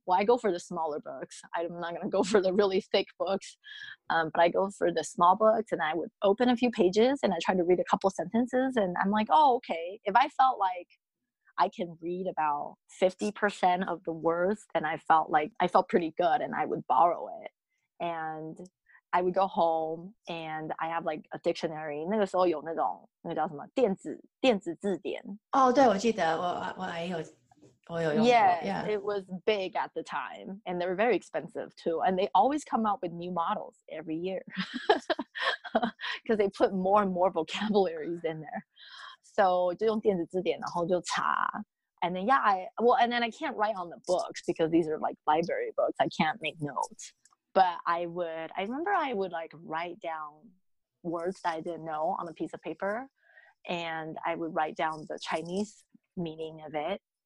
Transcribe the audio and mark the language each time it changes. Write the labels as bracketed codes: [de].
[en] Well, I go for the smaller books. I'm not going to go for the really thick books, but I go for the small books and I would open a few pages and I try to read a couple sentences and I'm like, oh, okay. If I felt like I can read about 50% of the words, then I felt pretty good and I would borrow it. And I would go home and I have like a dictionary. [zh] 那个时候有那种那个叫什么电子字典。哦、oh, 对我记得我有用过。 [en] Yeah, yeah, it was big at the time. And they were very expensive too. And they always come out with new models every year. Because they put more and more vocabularies in there. [zh] So 就用电子字典然后就查。 [en] And then yeah, and then I can't write on the books because these are like library books. I can't make notes. But I remember I would like write down words that I didn't know on a piece of paper. And I would write down the Chinese meaning of it.